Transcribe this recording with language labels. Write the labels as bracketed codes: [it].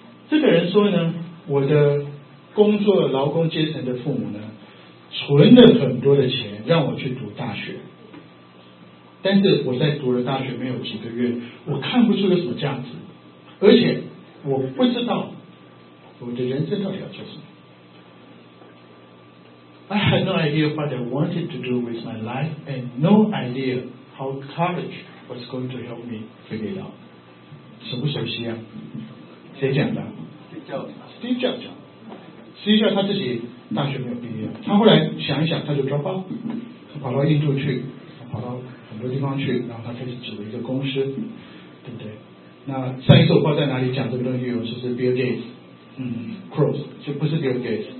[zh] 这个人说呢，我的工作劳工阶层的父母呢，存了很多的钱让我去读大学，但是我在读了大学没有几个月，我看不出有什么价值，而且我不知道我的人生到底要做什么。 [en] I had no idea what I wanted to do with my life and no idea how college was going to help me figure it out. [zh] 熟不熟悉啊？谁讲的？ [en] Steve Jobs. [zh] Steve Jobs 讲。Steve Jobs 他自己大学没有毕业，他后来想一想，他就 [en] drop out， [zh] 跑到印度去，跑到很多地方去，然后他开始组了一个公司，对不对？那上一次我报在哪里讲这个东西，就是 Bill Gates， Cross， 就不是 Bill Gates。